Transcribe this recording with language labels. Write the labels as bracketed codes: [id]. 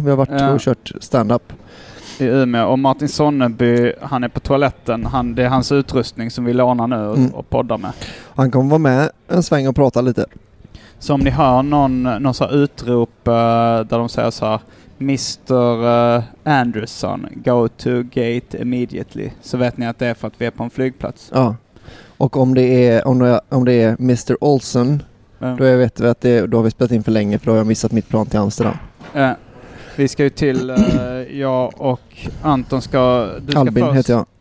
[sv] Vi har varit och kört stand-up i Umeå. Och Martin Sonneby, han är på toaletten. Det är hans utrustning som vi lånar nu och poddar med. Han kommer vara med en sväng och prata lite. Så om ni hör någon så här utrop där de säger så här: Mr. [en] Anderson, go to gate immediately. [sv] Så vet ni att det är för att vi är på en flygplats. Ja. Och om det är Mr. Olsen, då vet vi att då har vi spelat in för länge, för då har jag missat mitt plan till Amsterdam. Vi ska ju till jag och Anton ska... Du ska Albin först. Heter jag.